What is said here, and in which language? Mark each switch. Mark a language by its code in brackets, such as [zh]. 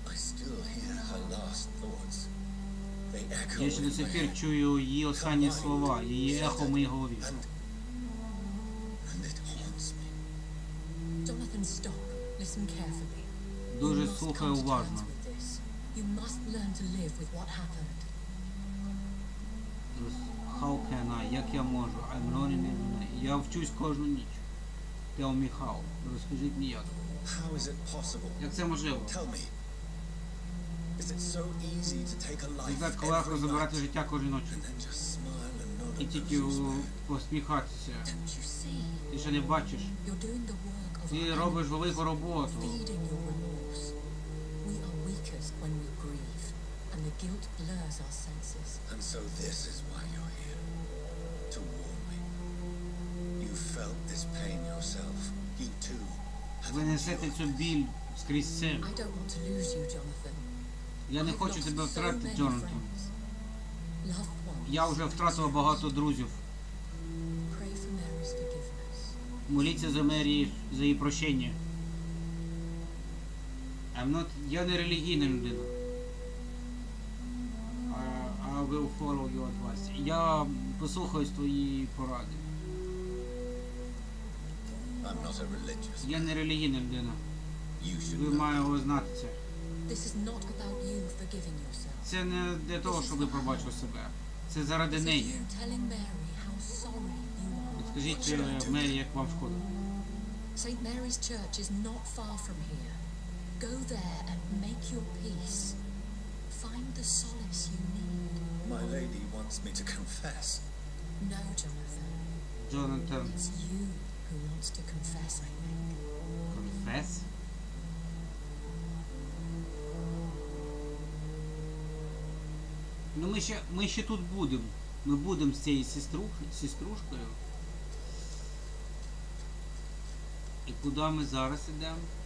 [en] I still hear her last thoughts. They echo. [uk] Я ще до сих пір чую її останні слова, її ехо в моїй голові. [en] And it haunts me. Jonathan, stop. Listen carefully. [uk] Дуже слухай уважно. [en] You must learn to live with what happened. How can I? [uk] Як я можу? [en] I'm learning every night. [uk] Я вчусь кожну ніч. [en] Tell me how. [uk] Розкажіть мені як. [en] How is it possible? [uk] Як це можливо? [en] Tell me. Is it so easy to take a life? [uk] Як так легко забирати життя кожної ночі? [en] And then just smile and nod. [uk] І тільки посміхатися. Ти ще не бачиш? [en] You're doing the work of. [uk] Ти робиш велику роботу. [en] Feeding your remorse. We are weakest when we grieve, and the guilt blurs our senses. And so this is why you're here. To warn. You felt this pain yourself. You too. [uk] Ви несете цю біль скрізь це. [en] I don't want to lose you, Jonathan. [uk] Я не хочу тебе втратити, Джонатан. [en] Loved ones. [uk] Я вже втратив багато друзів. [en] Pray for Mary's forgiveness. [uk] Моліться за Мері, за її прощення. Я не релігійна людина. [en] I will follow your advice. [uk] Я послухаюсь твої поради. [en] I'm not a religious. [uk] Я не релігійна людина. Ви маєте знати це. [en] This is not about you forgiving yourself. [uk] Це не для того, щоб ви пробачили себе. Це заради неї. [en] This is you telling Mary how sorry you are. [uk] Скажіть Мері, як вам шкода. [en] St. Mary's Church is not far from here. Go there and make your peace. Find the solace you need. My lady wants me to confess. No, Jonathan. Jonathan. It's you. Who wants to confess, I think. [uk] Confess? Ну ми ще тут будемо. Ми будемо з цією сіструшкою. І куди ми зараз йдемо?